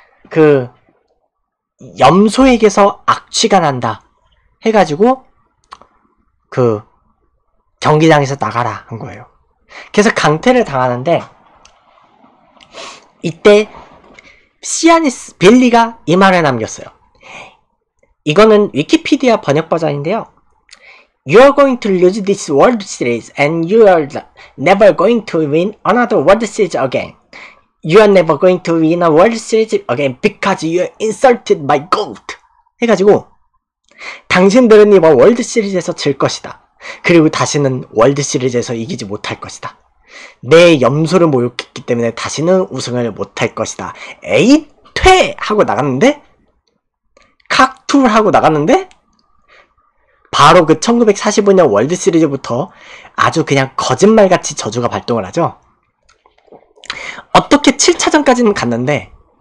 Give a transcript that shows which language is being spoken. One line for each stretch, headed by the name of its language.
Korean: 그 염소에게서 악취가 난다 해가지고 그 경기장에서 나가라 한 거예요. 그래서 강퇴를 당하는데 이때 시아니스 빌리가 이 말을 남겼어요. 이거는 위키피디아 번역 버전인데요.
English: You're going to lose this World Series and you are never going to win another World Series again. You are never going to win a World Series again because you insulted my goat.
Korean: 해가지고, 당신들은 이번 World Series에서 질 것이다. 그리고 다시는 World Series에서 이기지 못할 것이다. 내 염소를 모욕했기 때문에 다시는 우승을 못할 것이다. 에이, 퇴! 하고 나갔는데, 칵툴 하고 나갔는데, 바로 그 1945년 월드 시리즈부터 아주 그냥 거짓말같이 저주가 발동을 하죠. 어떻게 7차전까지는 갔는데